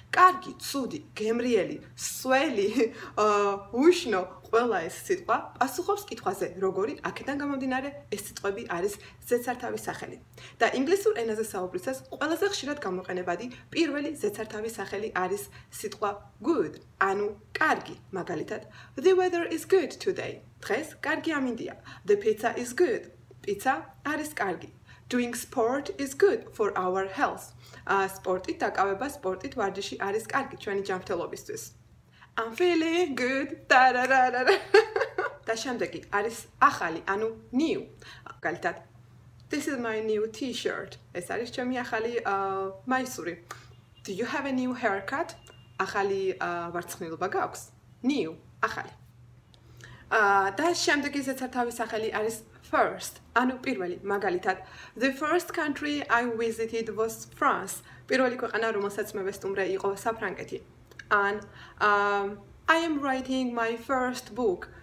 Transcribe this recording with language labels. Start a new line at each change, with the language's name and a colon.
Georgian: კარგი, ცუდი, გემრიელი, სველი, უშნო. Ყველა ეს სიტყვა პასუხობს კითხვაზე როგორი, აქედან გამომდინარე ეს სიტყვები არის ზეცართავის სახელი. Და ინგლისურ ენაზე საუბრისას ყველაზე ხშირად გამოყენებადი პირველი ზეცართავის სახელი არის სიტყვა good, ანუ კარგი.
English: მაგალითად, the weather is good today.
Georgian: დღეს კარგი ამინდია.
English: The pizza is good.
Georgian: Pizza არის კარგი.
English: Doing sport is good for our health.
Georgian: Სპორტით დაკავება, სპორტით ვარჯიში არის კარგი ჩვენი ჯანმრთელობისთვის.
English: I'm feeling good.
Georgian: Ta-ra-ra-ra-ra. Და შემდეგი არის ახალი, ანუ new.
English: Მაგალითად, this is my new t-shirt.
Georgian: ეს არის ჩემი ახალი მაისური.
English: Do you have a new haircut?
Georgian: Ახალი ვარცხნილობა გაქვს? New, ახალი. Და შემდეგი ზეცართავის სახელი არის first, ანუ პირველი.
English: მაგალითად, the first country I visited was France.
Georgian: პირველი ქვეყანა, რომელსაც მე ვესტუმრე, იყო საფრანგეთი.
English: And I am writing my first book.